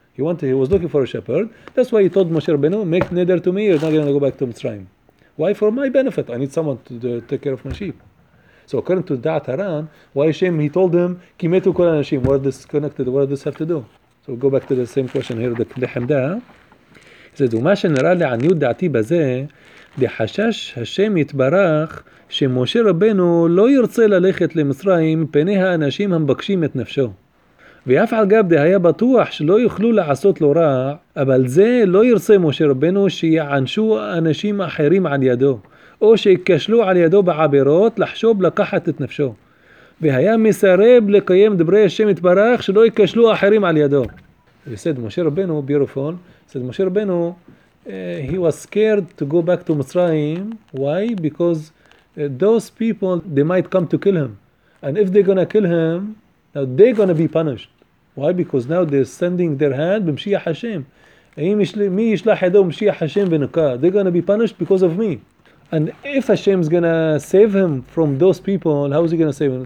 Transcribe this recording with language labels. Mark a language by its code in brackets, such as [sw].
[en] He was looking for a shepherd. That's why he told Moshe Rabbeinu, make neder to me, you're not going to go back to Mitzrayim. Why? For my benefit. I need someone to take care of my sheep. So according to Da'at Haran, why Hashem, he told him, Kimetu kol anashim, what is this connected, what does this have to do? So we'll go back to the same question here, the Hamda. He says, [he] "Uma shenara le'aniyut da'ati baze, dechashash Hashem yitbarach, שמשה רבנו לא ירצה ללכת למצרים פני האנשים המבקשים את נפשו. ואף על גב דהיה בטוח שלא יוכלו לעשות לו רע, אבל זה לא ירצה משה רבנו שיענשו אנשים אחרים על ידו, או שיקשלו על ידו בעבירות לחשוב לקחת את נפשו. והיה מסרב לקיים דברי השם יתברך שלא יקשלו אחרים על ידו." [en] וסד משה רבנו, ביירופון, סד משה רבנו, he was scared to go back to מצרים. Why? Because those people, they might come to kill him. And if they're going to kill him, now they're going to be punished. Why? Because now they're sending their hand, b'mashiach Hashem. They're going to be punished because of me. And if Hashem's going to save him from those people, how is he going to save him?